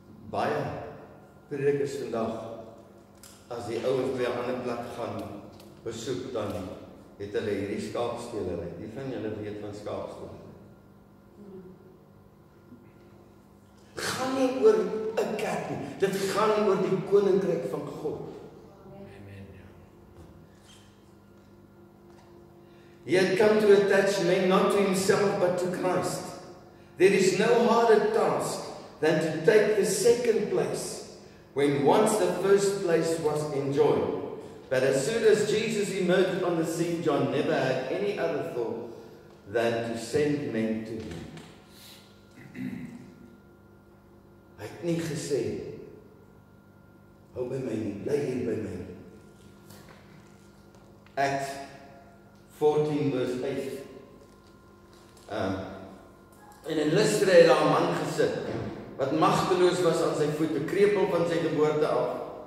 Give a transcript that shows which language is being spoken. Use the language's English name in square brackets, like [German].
[Afrikaans] Baie predikers vandag, as die ouens by 'n ander plek gaan besoek, dan het hulle hierdie skaapstelery. Wie van julle weet van skaapstelery? Gaan nie oor 'n kerk nie. Dit gaan oor die koninkryk van God. Amen. [English] He had come to attach men not to himself but to Christ. There is no harder task than to take the second place when once the first place was enjoyed. But as soon as Jesus emerged on the scene, John never had any other thought than to send men to him. [Afrikaans] Hy het nie gesê, hou by my nie, bly hier by my. [English] Acts 14:8. [Afrikaans] En in Lystra het daar 'n man gesit, wat magteloos was aan sy voete, krepel van sy geboorte af.